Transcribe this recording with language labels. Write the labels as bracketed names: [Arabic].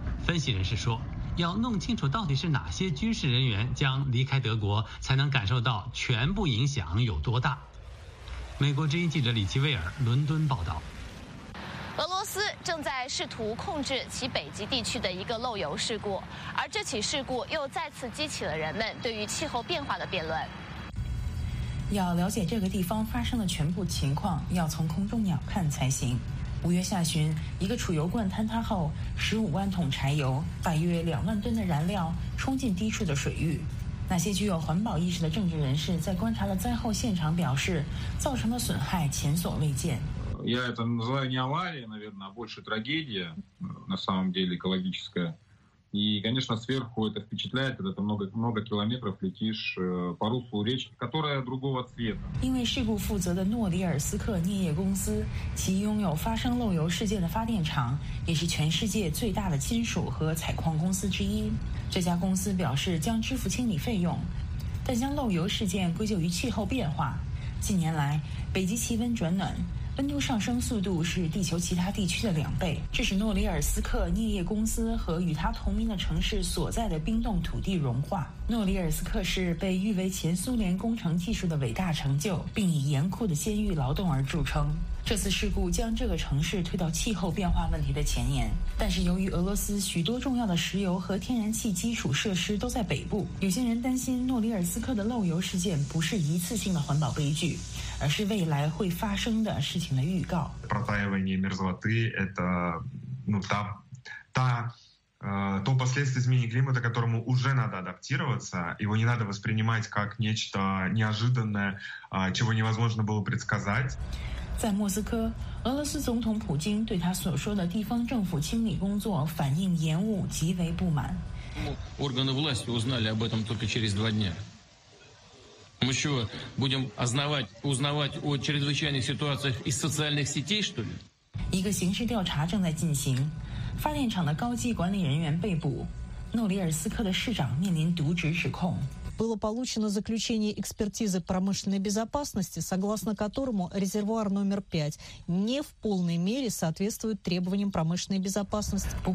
[Chinese] 分析人士说，要弄清楚到底是哪些军事人员将离开德国，才能感受到全部影响有多大。美国之音记者李奇威尔，伦敦报道。俄罗斯正在试图控制其北极地区的一个漏油事故，而这起事故又再次激起了人们对于气候变化的辩论。要了解这个地方发生的全部情况，要从空中鸟瞰才行。五月下旬，一个储油罐坍塌后，15万桶柴油，大约20,000吨的燃料冲进低处的水域。那些具有环保意识的政治人士在观察了灾后现场表示，造成的损害前所未见。 [Russian] Я это называю не аварией, наверное, а больше трагедия, на самом деле, экологическая. И, конечно, сверху это впечатляет, когда ты много километров летишь по руслу речки, которая другого цвета. [Chinese] 因为事故负责的诺迪尔斯克镍业公司，其拥有发生漏油事件的发电厂，也是全世界最大的金属和采矿公司之一。这家公司表示将支付清理费用，但将漏油事件归咎于气候变化。近年来，北极气温转暖。温度上升速度是地球其他地区的两倍，这使诺里尔斯克镍业公司和与它同名的城市所在的冰冻土地融化。诺里尔斯克市被誉为前苏联工程技术的伟大成就，并以严酷的监狱劳动而著称。这次事故将这个城市推到气候变化问题的前沿，但是由于俄罗斯许多重要的石油和天然气基础设施都在北部，有些人担心诺里尔斯克的漏油事件不是一次性的环保悲剧，而是未来会发生的事情的预告。 [Russian] Протаивание мерзлоты – это, ну, то последствие изменения климата, к которому уже надо адаптироваться, его не надо воспринимать как нечто неожиданное, чего невозможно было предсказать. [Chinese] 在莫斯科，俄罗斯总统普京对他所说的地方政府清理工作反应延误极为不满。 [Russian] Органы власти узнали об этом только через 2 дня. Мы что, будем узнавать о чрезвычайных ситуациях из социальных сетей, что ли? [Chinese] 一个刑事调查正在进行，发电厂的高级管理人员被捕，诺里尔斯克的市长面临渎职指控。 [Russian] было получено заключение экспертизы промышленной безопасности, согласно которому резервуар номер 5 не в полной мере соответствует требованиям промышленной безопасности.